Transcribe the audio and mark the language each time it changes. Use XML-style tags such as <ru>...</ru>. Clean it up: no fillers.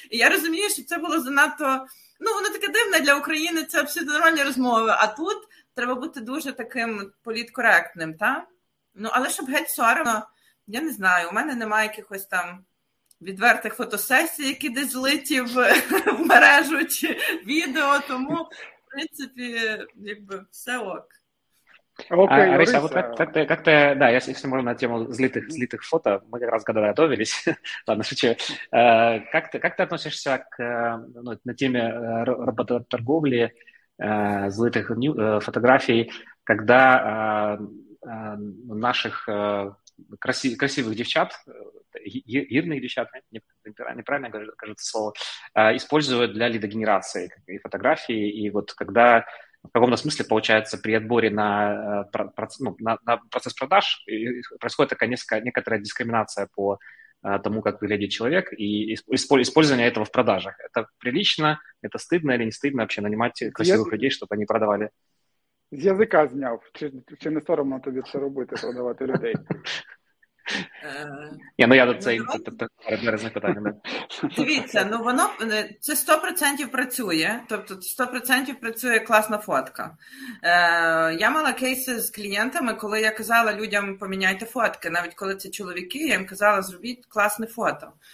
<uk>І я розумію, що це було занадто, ну, воно таке дивне для України, це абсолютно нормальні розмови, а тут треба бути дуже таким політкоректним, та? Ну, але щоб геть соромно, я не знаю, у мене немає якихось там відвертих фотосесій, які десь злиті в мережу чи відео, тому, в принципі, якби все ок.</uk> <ru>Окей, а вот как-то, да, если можно на тему злитых фото, мы как раз когда готовились, ладно, шучу, как ты относишься к, ну, на теме работорговли злитых фотографий, когда наших красивых девчат, ирных девчат, неправильно кажется слово, используют для лидогенерации и фотографии, и вот когда в каком-то смысле, получается, при отборе на процесс продаж происходит такая некоторая дискриминация по тому, как выглядит человек, и использование этого в продажах. Это прилично, это стыдно или не стыдно вообще нанимать красивых людей, чтобы они продавали?</ru> <uk>З языка зняв. Чи не соромно тобі це робити, продавати людей? Ні, ну я до цього різних питань. Дивіться, ну воно, це 100% працює, тобто 100% працює класна фотка. Я мала кейси з клієнтами, коли я казала людям, поміняйте фотки, навіть коли це чоловіки, я їм казала, зробіть класне фото.</uk>